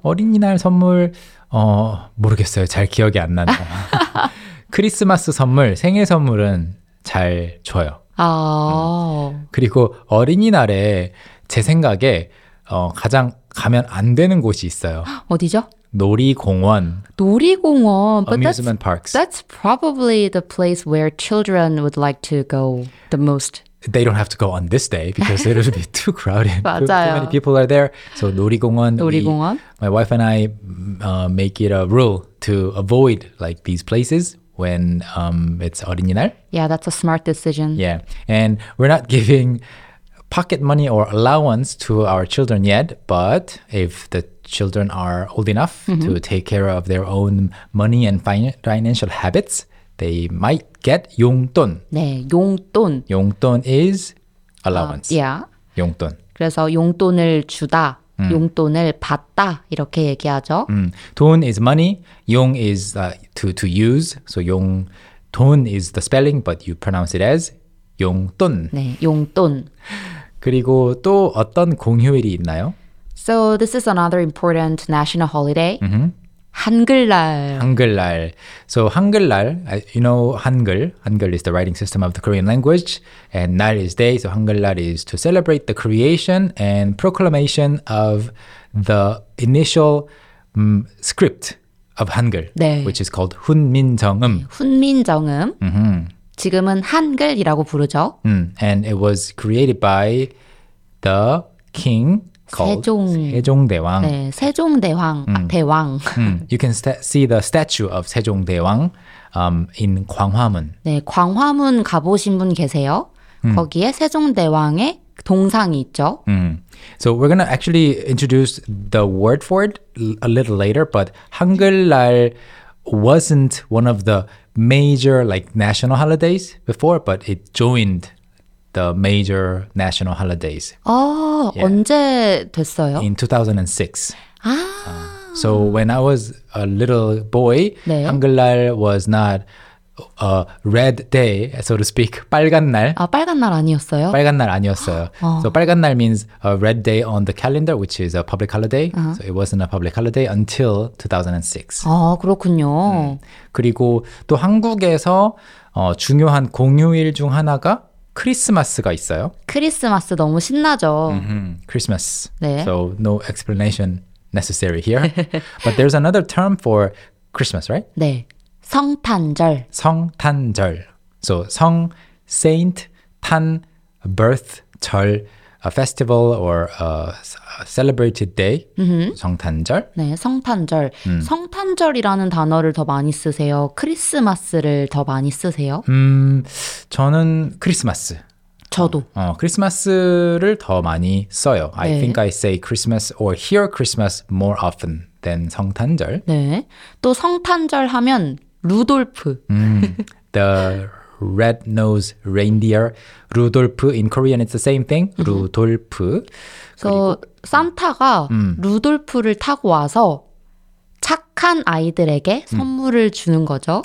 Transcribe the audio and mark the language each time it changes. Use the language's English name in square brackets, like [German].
[Korean] 어린이날 선물, 모르겠어요. 잘 기억이 안 난다. 크리스마스 선물, 생일 선물은 잘 줘요. 아. 그리고 어린이날에 제 생각에 가장 가면 안 되는 곳이 있어요. 어디죠? 놀이공원. 놀이공원. [English] But amusement parks. That's probably the place where children would like to go the most. They don't have to go on this day because it would be too crowded. [Korean] 맞아요. [English] Too many people are there. So 놀이공원. [Korean] 놀이공원. [English] My wife and I make it a rule to avoid like these places when it's 어린이날. Yeah, that's a smart decision. Yeah, and we're not giving pocket money or allowance to our children yet, but if the children are old enough mm-hmm. to take care of their own money and financial habits, they might get 용돈. [Korean] 네, 용돈. [English] 용돈 is allowance. Yeah. [Korean] 용돈. 그래서 용돈을 주다, 용돈을 받다 이렇게 얘기하죠. [English] 돈 is money, 용 is to use. So 용돈 is the spelling, but you pronounce it as 용돈. [Korean] 네, 용돈. 그리고 또 어떤 공휴일이 있나요? [English] So this is another important national holiday. Mm-hmm. [Korean] 한글날. [English] 한글날. So 한글날, you know 한글. 한글 is the writing system of the Korean language. And 날 is day. So 한글날 is to celebrate the creation and proclamation of the initial script of 한글. [Korean] 네. [English] Which is called 훈민정음. [Korean] 훈민정음. Mm-hmm. 지금은 한글이라고 부르죠. [English] And it was created by the king. [Korean] 세종. 세종대왕. 네, 세종대왕. 대왕. [English] You can see the statue of 세종대왕 in 광화문. [Korean] 네, 광화문 가보신 분 계세요? 거기에 세종대왕의 동상이 있죠. [English] So we're going to actually introduce the word for it a little later, but 한글날 wasn't one of the major like national holidays before, but it joined the major national holidays. [Korean] 아, yeah. 언제 됐어요? [English] In 2006. 아. So when I was a little boy, 네. 한글날 was not a red day, so to speak. [Korean] 빨간 날. 아, 빨간 날 아니었어요? 빨간 날 아니었어요. [English] 어. So 빨간 날 means a red day on the calendar, which is a public holiday. Uh-huh. So it wasn't a public holiday until 2006. [Korean] 아, 그렇군요. 그리고 또 한국에서 중요한 공휴일 중 하나가 크리스마스가 있어요. 크리스마스 너무 신나죠. 크리스마스. Mm-hmm. 네. [English] So no explanation necessary here. But there's another term for Christmas, right? [Korean] 네. 성탄절. [English] 성탄절. So 성, saint, 탄, birth, 절, a festival or a celebrated day. Mm-hmm. [Korean] 성탄절. 네, 성탄절. 성탄절이라는 단어를 더 많이 쓰세요? 크리스마스를 더 많이 쓰세요? 저는 크리스마스. 저도. 크리스마스를 더 많이 써요. [English] 네. I think I say Christmas or hear Christmas more often than 성탄절. [Korean] 네. 또 성탄절 하면 루돌프. [English] The red-nosed reindeer, Rudolph. In Korean, it's the same thing, Rudolph. [Korean] So, Santa가 Rudolph를 타고 와서 착한 아이들에게 선물을 주는 거죠.